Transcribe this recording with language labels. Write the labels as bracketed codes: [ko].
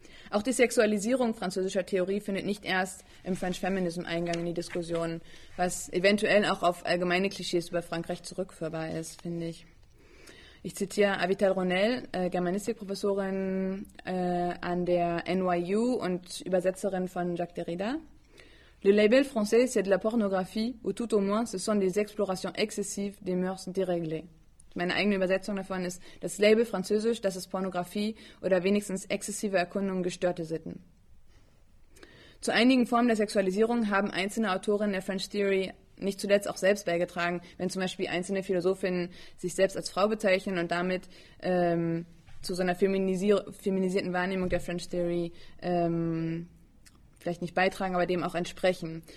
[de] Auch die Sexualisierung französischer Theorie findet nicht erst im French Feminism Eingang in die Diskussion, was eventuell auch auf allgemeine Klischees über Frankreich zurückführbar ist, finde ich. Ich zitiere Avital Ronel, Germanistikprofessorin an der NYU und Übersetzerin von Jacques Derrida. [fr] Le label français, c'est de la pornographie, ou tout au moins, ce sont des explorations excessives des mœurs déréglées. [de] Meine eigene Übersetzung davon ist, das Label französisch, das ist Pornografie oder wenigstens exzessive Erkundung gestörter Sitten. Zu einigen Formen der Sexualisierung haben einzelne Autorinnen der French Theory nicht zuletzt auch selbst beigetragen, wenn zum Beispiel einzelne Philosophinnen sich selbst als Frau bezeichnen und damit zu so einer feminisierten Wahrnehmung der French Theory vielleicht nicht beitragen, aber dem auch entsprechen.